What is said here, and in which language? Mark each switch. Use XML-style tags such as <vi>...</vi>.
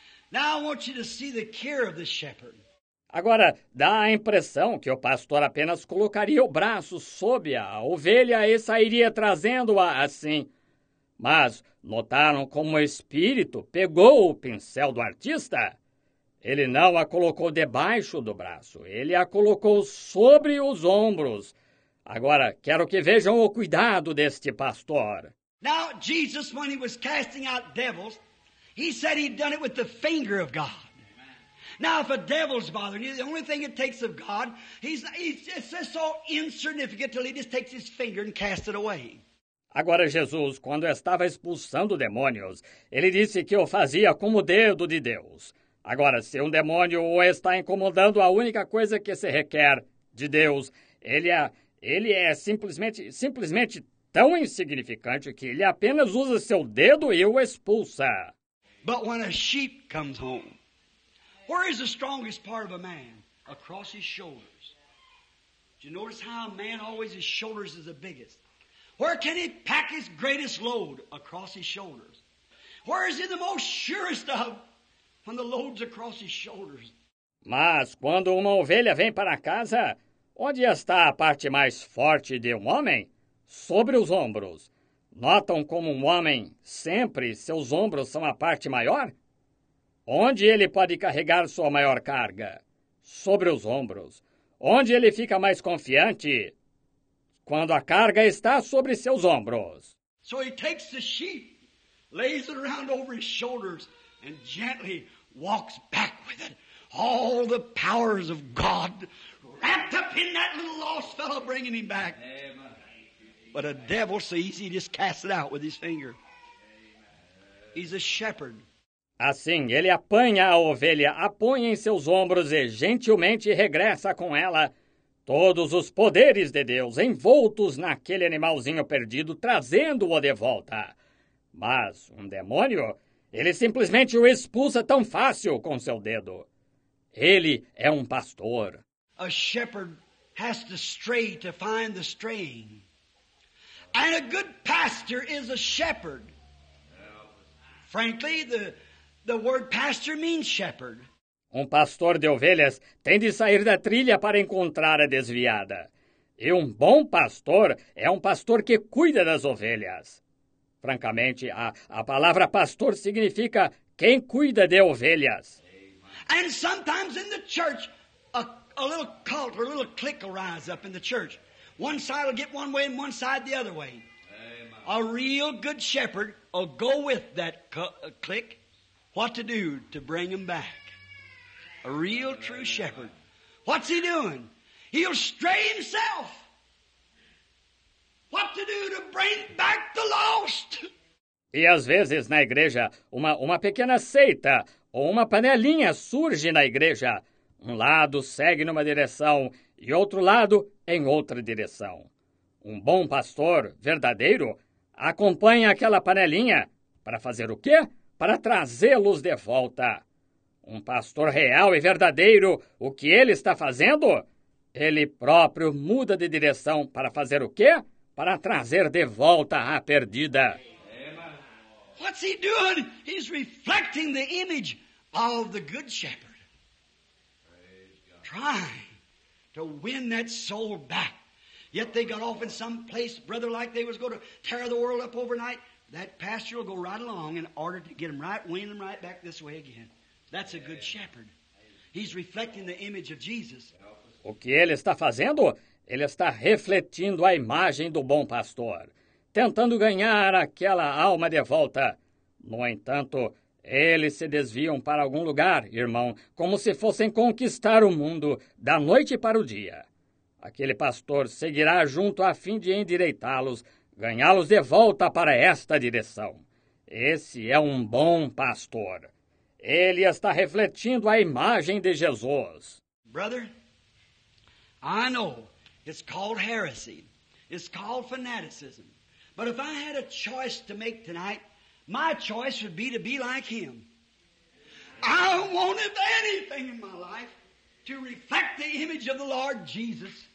<en>Now I want you to see the care of the shepherd.</en> <pt>Agora, dá a impressão que o pastor apenas colocaria o braço sob a ovelha e sairia trazendo-a assim. Mas notaram como o espírito pegou o pincel do artista? Ele não a colocou debaixo do braço, ele a colocou sobre os ombros. Agora, quero que vejam o cuidado deste pastor.</pt> <en>Now, Jesus, when he was casting out devils, he said he'd done it with the finger of God. Now, if a devil's bothering you, the only thing it takes of God, it's just so insignificant till he just takes his finger and casts it away.</en> <pt>Agora, Jesus, quando estava expulsando demônios, ele disse que o fazia com o dedo de Deus. Agora, se um demônio o está incomodando, a única coisa que se requer de Deus, ele é simplesmente tão insignificante que ele apenas usa seu dedo e o expulsa.</pt> <en>But when a sheep comes home, where is the strongest part of a man? Across his shoulders. Do you notice how a man always his shoulders is the biggest? Where can he pack his greatest load? Across his shoulders. Where is he the most surest of? When the load's across his shoulders.</en> <pt>Mas quando uma ovelha vem para casa, onde está a parte mais forte de um homem? Sobre os ombros. Notam como um homem sempre seus ombros são a parte maior? Onde ele pode carregar sua maior carga? Sobre os ombros. Onde ele fica mais confiante? Quando a carga está sobre seus ombros.</pt> <en>So he takes the sheep, lays it around over his shoulders, and gently walks back with it. All the powers of God wrapped up in that little lost fellow bringing him back. But a devil sees, he just casts it out with his finger. He's a shepherd.</en> <pt>Assim, ele apanha a ovelha, a põe em seus ombros e gentilmente regressa com ela. Todos os poderes de Deus envoltos naquele animalzinho perdido, trazendo-o de volta. Mas um demônio, ele simplesmente o expulsa tão fácil com seu dedo. Ele é um pastor.</pt> <en>A shepherd has to stray to find the straying. And a good pastor is a shepherd. Frankly, the word pastor means shepherd.</en> <pt>Um pastor de ovelhas tem de sair da trilha para encontrar a desviada. E um bom pastor é um pastor que cuida das ovelhas. Francamente, a palavra pastor significa quem cuida de ovelhas.</pt> <en>And sometimes in the church, a little cult or a little clique will rise up in the church. One side will get one way and one side the other way. Amen. A real good shepherd will go with that clique. What to do to bring them back? A real true shepherd. What's he doing? He'll stray himself. What to do to bring back the lost?</en> <pt>E às vezes na igreja, uma pequena seita ou uma panelinha surge na igreja. Um lado segue numa direção e outro lado em outra direção. Um bom pastor verdadeiro acompanha aquela panelinha para fazer o quê? Para trazê-los de volta. Um pastor real e verdadeiro, o que ele está fazendo? Ele próprio muda de direção para fazer o quê? Para trazer de volta a perdida.</pt> <en>What's he doing? He's reflecting the image of the good shepherd. Trying to win that soul back. Yet they got off in some place, brother, like they was going to tear the world up overnight. That pastor will go right along in order to get him right, win him right back this way again. That's a good shepherd. He's reflecting the image of Jesus.</en> <pt>O que ele está fazendo? Ele está refletindo a imagem do bom pastor, tentando ganhar aquela alma de volta. No entanto, eles se desviam para algum lugar, irmão, como se fossem conquistar o mundo da noite para o dia. Aquele pastor seguirá junto a fim de endireitá-los, ganhá-los de volta para esta direção. Esse é um bom pastor. Ele está refletindo a imagem de Jesus.</pt> <en>Brother, I know it's called heresy. It's called fanaticism. But if I had a choice to make tonight, my choice would be to be like him. I wanted anything in my life to reflect the image of the Lord Jesus.</en>